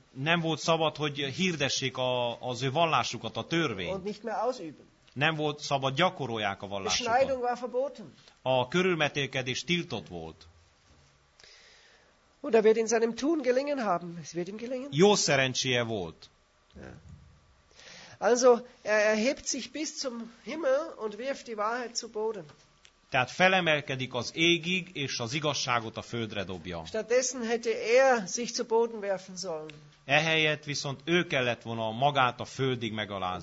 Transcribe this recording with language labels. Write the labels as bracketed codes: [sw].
[hu] Nem volt szabad, hogy hirdessék az ő vallásukat, a törvényt. [de] Und nicht mehr ausüben. [hu] Nem volt szabad, gyakorolják a vallásukat. A körülmetélkedés tiltott volt. [de] Und er wird in seinem Tun gelingen haben. Es wird ihm gelingen. [hu] Jó szerencséje volt. [de] Ja. Also, er erhebt sich bis zum Himmel und wirft die Wahrheit zu Boden. [hu] Tehát felemelkedik az égig, és az igazságot a földre dobja. [de] Stattdessen hätte sich zu Boden werfen sollen. [hu] Ehelyett viszont ő kellett volna magát a földig megalázza.